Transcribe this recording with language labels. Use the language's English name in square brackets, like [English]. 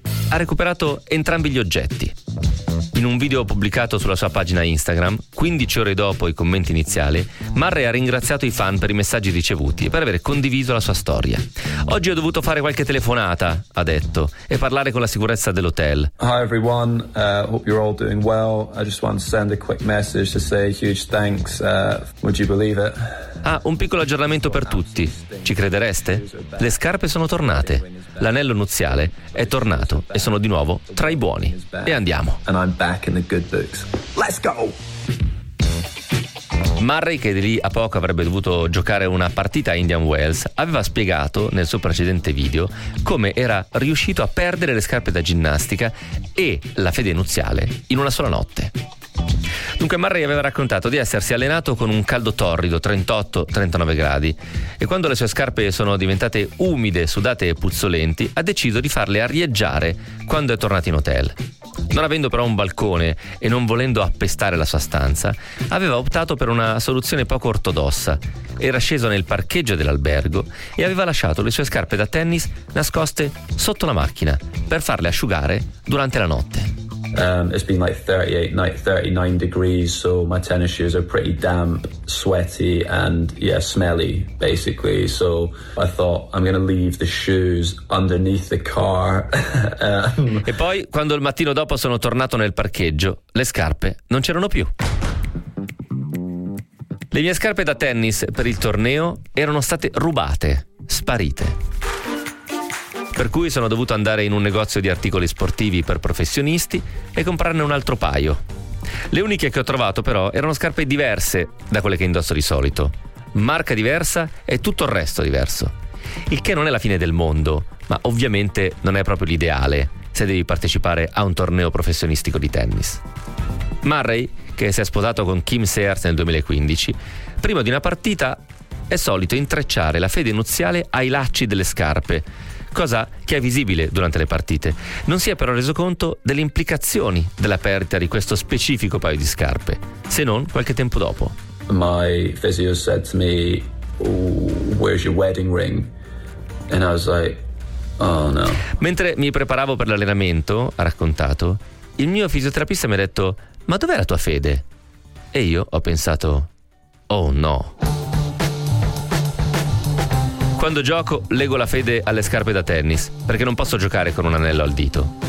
[Italian] Ha recuperato entrambi gli oggetti. In un video pubblicato sulla sua pagina Instagram, 15 ore dopo i commenti iniziali, Murray ha ringraziato i fan per i messaggi ricevuti e per aver condiviso la sua storia. Oggi ho dovuto fare qualche telefonata, ha detto, e parlare con la sicurezza dell'hotel. [English] Hi everyone, hope you're all doing well. I just want to send a quick message to say a huge thanks. Would you believe it? [Italian] Ah, un piccolo aggiornamento per tutti. Ci credereste? Le scarpe sono tornate. L'anello nuziale è tornato e sono di nuovo tra i buoni. E andiamo. [English] And I'm back in the good books. Let's go! [Italian] Murray, che di lì a poco avrebbe dovuto giocare una partita a Indian Wells, aveva spiegato nel suo precedente video come era riuscito a perdere le scarpe da ginnastica e la fede nuziale in una sola notte. Dunque Murray aveva raccontato di essersi allenato con un caldo torrido, 38-39 gradi, e quando le sue scarpe sono diventate umide, sudate e puzzolenti, ha deciso di farle arieggiare quando è tornato in hotel. Non avendo però un balcone e non volendo appestare la sua stanza, aveva optato per una soluzione poco ortodossa. Era sceso nel parcheggio dell'albergo e aveva lasciato le sue scarpe da tennis nascoste sotto la macchina per farle asciugare durante la notte. [English] It's been like 38-39 degrees, so my tennis shoes are pretty damp, sweaty and yeah, smelly basically. So I thought I'm gonna leave the shoes underneath the car. [Italian] E poi, quando il mattino dopo sono tornato nel parcheggio, le scarpe non c'erano più. Le mie scarpe da tennis per il torneo erano state rubate, sparite. Per cui sono dovuto andare in un negozio di articoli sportivi per professionisti e comprarne un altro paio. Le uniche che ho trovato però erano scarpe diverse da quelle che indosso di solito. Marca diversa e tutto il resto diverso. Il che non è la fine del mondo, ma ovviamente non è proprio l'ideale se devi partecipare a un torneo professionistico di tennis. Murray, che si è sposato con Kim Sears nel 2015, prima di una partita è solito intrecciare la fede nuziale ai lacci delle scarpe, cosa che è visibile durante le partite. Non si è però reso conto delle implicazioni della perdita di questo specifico paio di scarpe, se non qualche tempo dopo. [English] My physio said to me, oh, where's your wedding ring? And I was like, oh no. [Italian] Mentre mi preparavo per l'allenamento, ha raccontato, il mio fisioterapista mi ha detto, ma dov'è la tua fede? E io ho pensato, oh no. Quando gioco, leggo la fede alle scarpe da tennis, perché non posso giocare con un anello al dito.